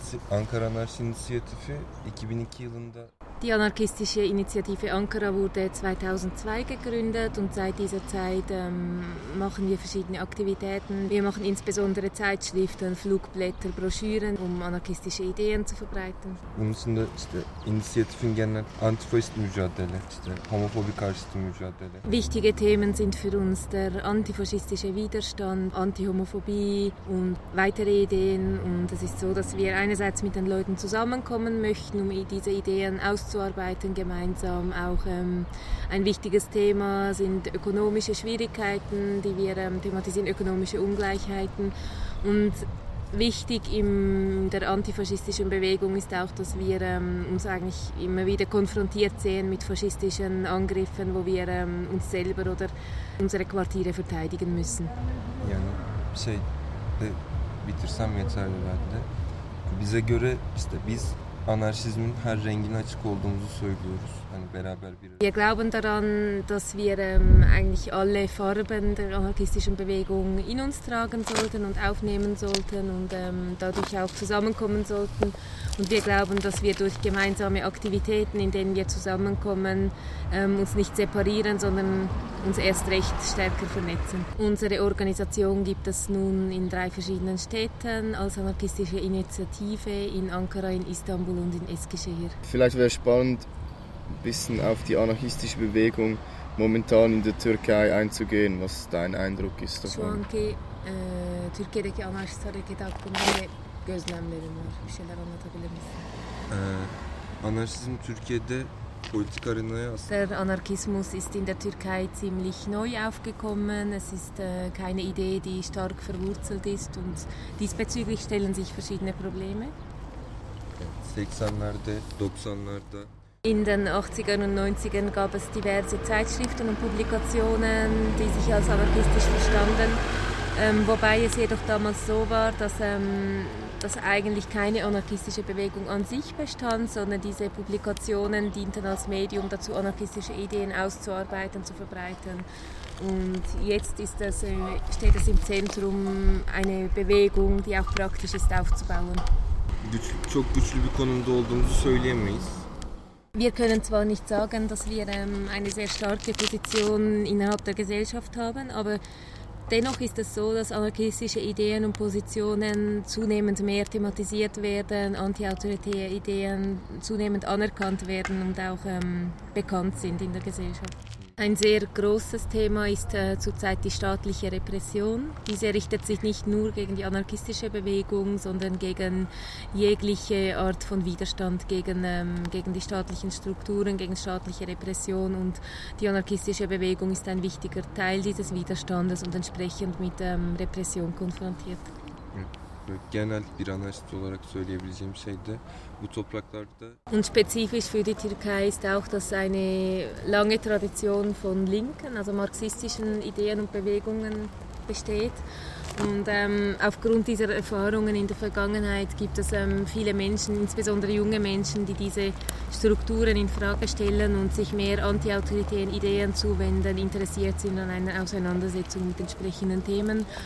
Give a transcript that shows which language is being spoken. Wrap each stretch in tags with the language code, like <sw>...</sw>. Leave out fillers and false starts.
<tr>Ankara Anarchie Initiative 2002 yılında.</tr> <de>Die anarchistische Initiative Ankara wurde 2002 gegründet und seit dieser Zeit machen wir verschiedene Aktivitäten. Wir machen insbesondere Zeitschriften, Flugblätter, Broschüren, um anarchistische Ideen zu verbreiten.</de> <tr>Bunda işte inisiyatifin genel antifaşist mücadele, işte homofobi karşıtı mücadele.</tr> <de>Wichtige Themen sind für uns der antifaschistische Widerstand, Antihomophobie und weitere Ideen. Und es ist so, dass wir einerseits mit den Leuten zusammenkommen möchten, um diese Ideen auszuarbeiten gemeinsam. Auch ein wichtiges Thema sind ökonomische Schwierigkeiten, die wir thematisieren, ökonomische Ungleichheiten. Und wichtig in der antifaschistischen Bewegung ist auch, dass wir uns eigentlich immer wieder konfrontiert sehen mit faschistischen Angriffen, wo wir uns selber oder unsere Quartiere verteidigen müssen.</de> <tr>Ja, şey, bitirsem yeterli bende. Bize göre işte biz anarşizmin her rengine açık olduğumuzu söylüyoruz. Hani beraber bir...</tr> <de>Wir glauben daran, dass wir eigentlich alle Farben der anarchistischen Bewegung in uns tragen sollten und aufnehmen sollten und dadurch auch zusammenkommen sollten. Und wir glauben, dass wir durch gemeinsame Aktivitäten, in denen wir zusammenkommen, uns nicht separieren, sondern uns erst recht stärker vernetzen. Unsere Organisation gibt es nun in drei verschiedenen Städten als anarchistische Initiative, in Ankara, in Istanbul und in Eskişehir. Vielleicht wäre es spannend, ein bisschen auf die anarchistische Bewegung momentan in der Türkei einzugehen, was dein Eindruck ist davon.</de> <tr>Şu anki Türkiye'deki anarşist hareket hakkında ne gözlemlerin var? Bir şeyler anlatabilir misin? Anarşizm Türkiye'de politik arenaya aslında.</tr> <de>Der Anarchismus ist in der Türkei ziemlich neu aufgekommen. Es ist keine Idee, die stark verwurzelt ist und diesbezüglich stellen sich verschiedene Probleme.</de> <tr>80'lerde, 90'lerde.</tr> <de>In den 80ern und 90ern gab es diverse Zeitschriften und Publikationen, die sich als anarchistisch verstanden. Wobei es jedoch damals so war, dass, dass eigentlich keine anarchistische Bewegung an sich bestand, sondern diese Publikationen dienten als Medium dazu, anarchistische Ideen auszuarbeiten, zu verbreiten. Und jetzt ist das, steht es im Zentrum, eine Bewegung, die auch praktisch ist, aufzubauen.</de> <tr>Çok güçlü bir konumda olduğumuzu söyleyemeyiz.</tr> <de>Wir können zwar nicht sagen, dass wir eine sehr starke Position innerhalb der Gesellschaft haben, aber dennoch ist es so, dass anarchistische Ideen und Positionen zunehmend mehr thematisiert werden, antiautoritäre Ideen zunehmend anerkannt werden und auch bekannt sind in der Gesellschaft. Ein sehr großes Thema ist zurzeit die staatliche Repression. Diese richtet sich nicht nur gegen die anarchistische Bewegung, sondern gegen jegliche Art von Widerstand, gegen die staatlichen Strukturen, gegen staatliche Repression. Und die anarchistische Bewegung ist ein wichtiger Teil dieses Widerstandes und entsprechend mit Repression konfrontiert.</de> <tr>Genel bir anarşist olarak söyleyebileceğim şey de bu topraklarda.</tr> <de>Und spezifisch für die Türkei ist auch, dass eine lange Tradition von linken, also marxistischen Ideen und Bewegungen besteht. Und aufgrund dieser Erfahrungen in der Vergangenheit gibt es viele Menschen, insbesondere junge Menschen, die diese Strukturen in Frage stellen und sich mehr antiautoritären Ideen zuwenden, interessiert sind an einer Auseinandersetzung mit entsprechenden Themen.</de>